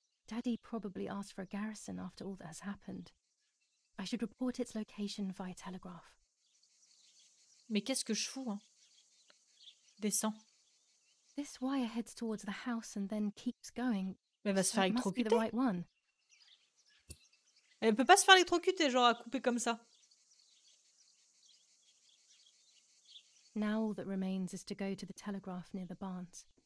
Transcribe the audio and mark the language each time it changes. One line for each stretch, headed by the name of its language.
English: Daddy probably asked for a garrison after all that has happened. I should report its location via telegraph.
French: Mais qu'est-ce que je fous hein? Descends.
English: This wire heads towards the house and then keeps going.
French: Mais elle va se faire électrocuter. Elle peut pas se faire électrocuter, genre à couper comme ça.
English: Now all that remains is to go to the telegraph near the barns.